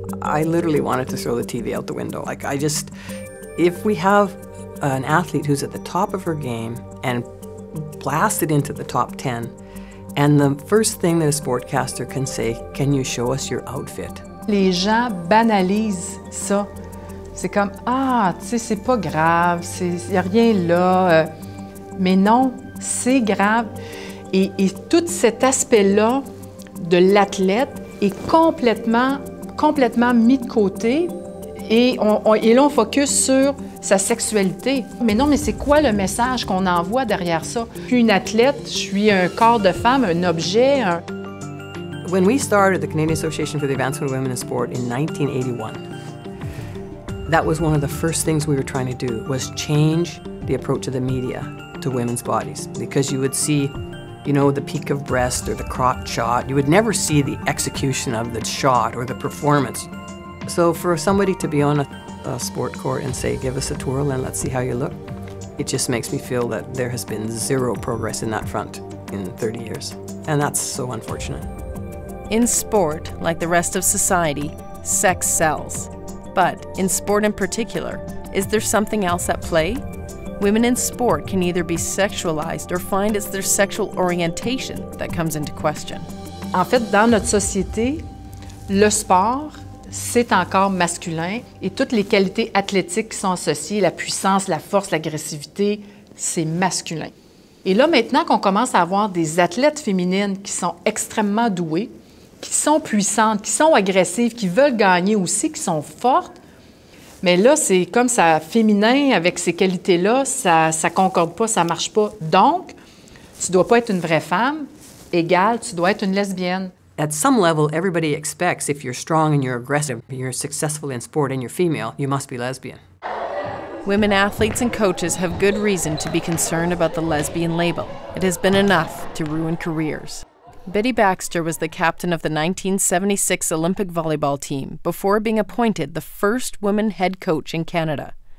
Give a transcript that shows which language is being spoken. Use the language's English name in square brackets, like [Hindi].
[English] I literally wanted to throw the TV out the window. Like, I just, if we have an athlete who's at the top of her game and blasted into the top 10, and the first thing that a sportcaster can say, can you show us your outfit? [French] Les gens banalisent ça. C'est comme, ah, tu sais, c'est pas grave, y a rien là. Mais non, c'est grave. Et tout cet aspect-là de l'athlète est complètement mis de côté. Et là, on focus sur sa sexualité. Mais non, mais c'est quoi le message qu'on envoie derrière ça? Une athlète, je suis un corps de femme, un objet. [English] When we started the Canadian Association for the Advancement of Women in Sport in 1981, that was one of the first things we were trying to do, was change the approach of the media to women's bodies. Because you would see, you know, the peak of breast or the crotch shot. You would never see the execution of the shot or the performance. So for somebody to be on a sport court and say, give us a twirl and let's see how you look, it just makes me feel that there has been zero progress in that front in 30 years. And that's so unfortunate. In sport, like the rest of society, sex sells. But in sport in particular, is there something else at play? Women in sport can either be sexualized or find it's their sexual orientation that comes into question. [French] En fait, dans notre société, le sport, c'est encore masculin et toutes les qualités athlétiques qui sont associées, la puissance, la force, l'agressivité, c'est masculin. Et là, maintenant qu'on commence à avoir des athlètes féminines qui sont extrêmement douées, qui sont puissantes, qui sont agressives, qui veulent gagner aussi, qui sont fortes. Mais là, c'est comme ça, féminin, avec ces qualités-là, ça concorde pas, ça marche pas. Donc, tu dois pas être une vraie femme, égale, tu dois être une lesbienne. [English] At some level, everybody expects if you're strong and you're aggressive, and you're successful in sport and you're female, you must be lesbian. Women athletes and coaches have good reason to be concerned about the lesbian label. It has been enough to ruin careers. Betty Baxter was the captain of the 1976 Olympic volleyball team before being appointed the first woman head coach in Canada.